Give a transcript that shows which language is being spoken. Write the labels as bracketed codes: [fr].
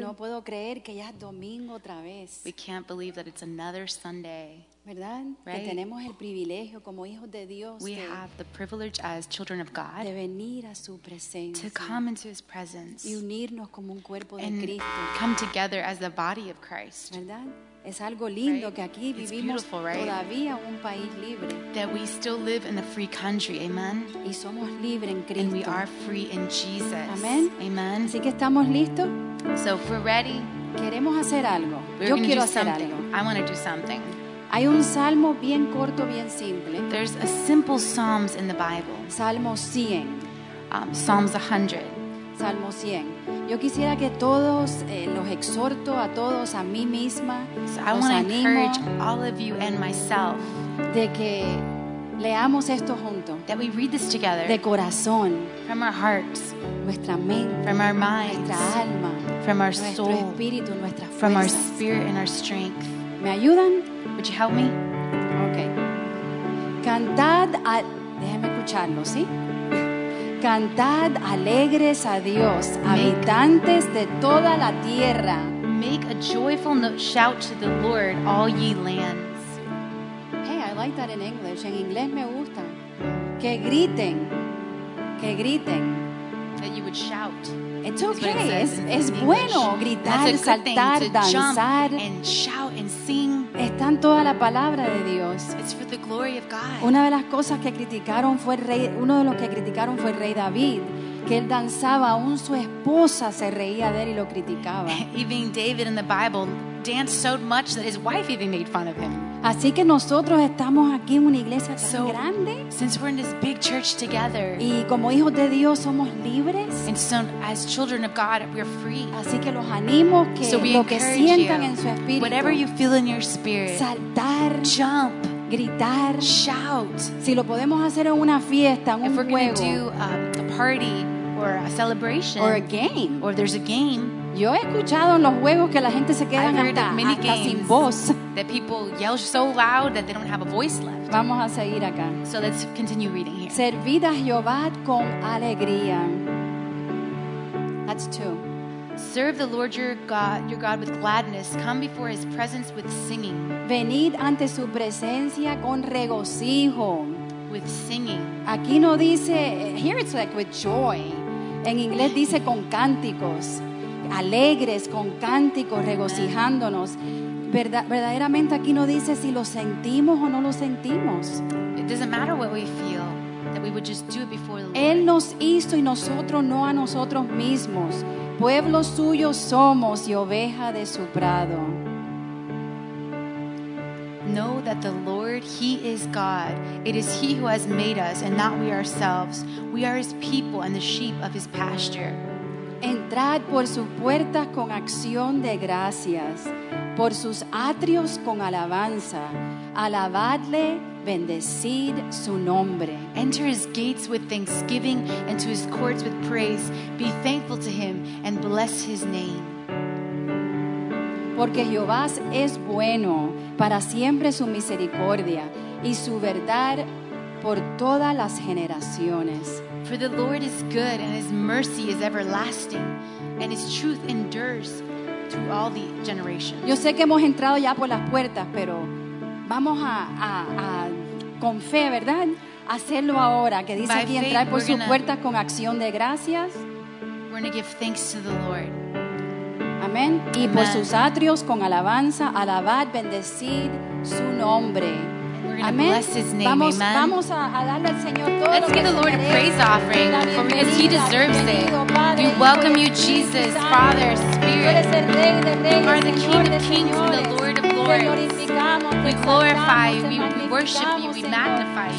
[es] No puedo creer que ya es domingo otra vez. [en] We can't believe that it's another Sunday. [es] ¿Verdad? [en] Right? [es] Que tenemos el privilegio como hijos de Dios. [en] We have the privilege as children of God. [es] De venir a su presencia. [en] To come into his presence. [es] Y unirnos como un cuerpo de [en] and [es] Cristo. [en] Come together as the body of Christ. [es] ¿Verdad? Es algo lindo [en] right? [es] que aquí vivimos [en] right? [es] todavía un país libre. [en] That we still live in a free country, amen. [es] Y somos libres en Cristo. [en] And we are free in Jesus. [es] Amen. [en] Amen. [es] Así que estamos listos. [en] So if we're ready. [es] Queremos hacer algo. [en] We're [es] Yo [en] gonna [es] quiero [en] do [es] hacer [en] something. [es] Algo. [en] I want to do something. [es] Hay un salmo bien corto, bien simple. [en] There's a simple psalms in the Bible. [es] Salmo 100. [en] Psalms 100. [es] Salmo 100. Yo quisiera que todos los exhorto a todos a mí misma. [en] So I want to encourage all of you and myself. [es] De que leamos esto juntos. [en] That we read this together. [es] De corazón. [en] From our hearts. [es] Nuestra mente. [en] From our minds. [es] Nuestra alma. [en] From our [es] nuestro Nuestro espíritu, nuestra fuerza. [en] From our spirit and our strength. [es] ¿Me ayudan? [en] Would you help me? [es] Okay. Cantad a... Déjeme escucharlo, ¿sí? Cantad alegres a Dios, habitantes de toda la tierra. [en] Make a joyful note, shout to the Lord, all ye lands. Hey, I like that in English. [es] En inglés me gusta. Que griten. Que griten. [en] That you would shout. It's okay. [es] Es bueno gritar, saltar, danzar. [en] And shout and sing. [es] Está en toda la palabra de Dios. [en] It's for the glory of God. [es] Una de las cosas que criticaron fue el rey, uno de los que criticaron fue el rey David, que él danzaba, aún su esposa se reía de él y lo criticaba. [en] Even David in the Bible danced so much that his wife even made fun of him. [es] Así que nosotros estamos aquí en una iglesia tan [en] so, [es] grande. [en] Since we're in this big church together. [es] Y como hijos de Dios somos libres. [en] And so, as children of God, we're free. [es] Así que los animo que [en] so [es] lo que sientan en su espíritu. [en] Whatever you feel in your spirit. [es] Saltar. [en] Jump. [es] Gritar. [en] Shout. [es] Si lo podemos hacer en una fiesta, en un [en] if we're [es] juego. [en] Gonna do a party or a celebration. Or a game. Or there's a game. [es] Yo he escuchado en los juegos que la gente se quedan hasta sin voz. [en] That people yell so loud that they don't have a voice left. [es] Vamos a seguir acá. [en] So let's continue reading here. [es] Servid a Jehová con alegría. [en] That's two. Serve the Lord your God with gladness. Come before his presence with singing. [es] Venid ante su presencia con regocijo. [en] With singing. [es] Aquí no dice, [en] here it's like with joy. [es] En inglés dice con cánticos. Alegres con cánticos, regocijándonos. Verdaderamente aquí no dice si lo sentimos o no lo sentimos. [en] It doesn't matter what we feel, that we would just do it before the Lord. [es] Él nos hizo y nosotros no a nosotros mismos. Pueblo suyo somos y oveja de su prado. [en] Know that the Lord, he is God. It is he who has made us and not we ourselves. We are his people and the sheep of his pasture. [es] Entrad por sus puertas con acción de gracias, por sus atrios con alabanza. Alabadle, bendecid su nombre. [en] Enter his gates with thanksgiving and to his courts with praise. Be thankful to him and bless his name. [es] Porque Jehová es bueno para siempre su misericordia y su verdad por todas las generaciones. [en] For the Lord is good and his mercy is everlasting and his truth endures to all the generations. [es] Yo sé que hemos entrado ya por las puertas, pero vamos a con fe, ¿verdad? Hacerlo ahora, que dice [en] by [es] aquí [en] faith, [es] entrar por sus puertas con acción de gracias. [en] We're going to give thanks to the Lord. [es] Amén. Y [en] amen. [es] Por sus atrios con alabanza, alabad, bendecid su nombre. [en] Amen. Bless his name. [es] Vamos, [en] amen. [es] Vamos a darle al Señor todo [en] let's give the Lord a praise offering for because he deserves it. [es] Padre, [en] we welcome you, Jesus, Father, Spirit. You are the King of Kings and the Lord of Lords. We glorify you, we worship you, we magnify you.